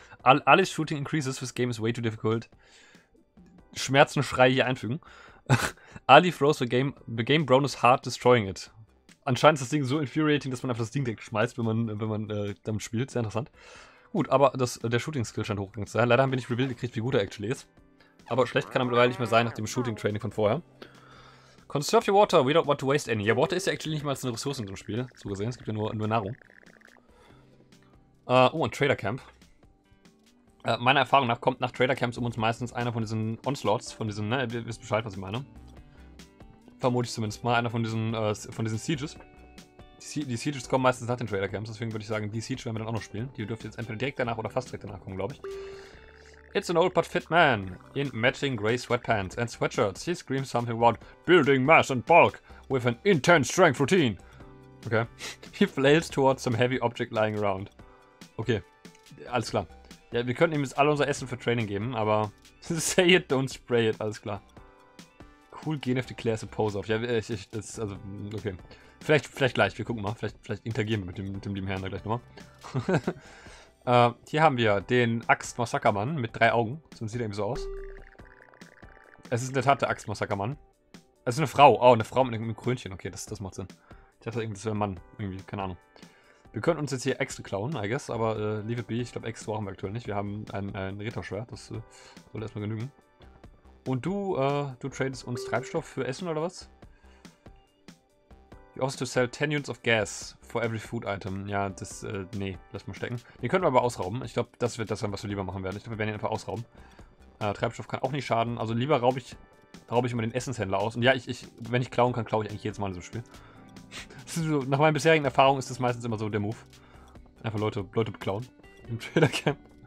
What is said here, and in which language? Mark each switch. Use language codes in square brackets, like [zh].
[en] Alles Shooting increases, this game is way too difficult. [de] Schmerzenschrei hier einfügen. [en] Ali throws the game Bronus hard, destroying it. [de] Anscheinend ist das Ding so infuriating, dass man einfach das Ding wegschmeißt, wenn man damit spielt. Sehr interessant. Gut, aber der Shooting Skill scheint hochgegangen zu sein. Leider haben wir nicht revealed gekriegt, wie gut er actually ist. Aber schlecht kann er mittlerweile nicht mehr sein nach dem Shooting Training von vorher. [en] Conserve your water, we don't want to waste any. [de] Ja, Water ist ja actually nicht mal eine Ressource in so einem Spiel, so gesehen. Es gibt ja nur Nahrung. Ein Trader Camp. Meiner Erfahrung nach kommt nach Trader Camps um uns meistens einer von diesen Onslaughts, von diesen, ne, ihr wisst Bescheid, was ich meine. Vermute ich zumindest mal, einer von diesen Sieges. Die Sieges kommen meistens nach den Trader Camps, deswegen würde ich sagen, die Siege werden wir dann auch noch spielen. Die dürfte jetzt entweder direkt danach oder fast direkt danach kommen, glaube ich. [en] It's an old but fit man in matching gray sweatpants and sweatshirts. He screams something about building mass and bulk with an intense strength routine. Okay. He flails towards some heavy object lying around. [de] Okay, alles klar. Ja, wir könnten ihm jetzt alle unser Essen für Training geben, aber [en] say it, don't spray it, [de] alass klar. Cool, gehen auf die Claire's Pose auf. Ja, ich, das, also, okay. Vielleicht gleich, wir gucken mal. Vielleicht interagieren wir mit dem lieben Herrn da gleich nochmal. hier haben wir den Axt-Massakermann mit drei Augen. So sieht er eben so aus. Es ist in der Tat der Axt-Massakermann. Es ist eine Frau. Oh, eine Frau mit einem Krönchen. Okay, das macht Sinn. Ich dachte, das wäre ein Mann. Irgendwie, keine Ahnung. Wir können uns jetzt hier Äxte klauen, [en] I guess. [de] Aber [en] leave it be. [de] Ich glaube, Äxte brauchen wir aktuell nicht. Wir haben ein Ritterschwert. Das soll erstmal genügen. Und du tradest uns Treibstoff für Essen oder was? [en] You also sell 10 units of gas for every food item. [de] Ja, das, nee, lass mal stecken. Den können wir aber ausrauben. Ich glaube, das wird das sein, was wir lieber machen werden. Ich glaube, wir werden ihn einfach ausrauben. Treibstoff kann auch nicht schaden. Also lieber raube ich immer den Essenshändler aus. Und ja, ich wenn ich klauen kann, klaue ich eigentlich jedes Mal in diesem Spiel. So, nach meinen bisherigen Erfahrungen ist das meistens immer so der Move. Einfach Leute beklauen im Trader Camp.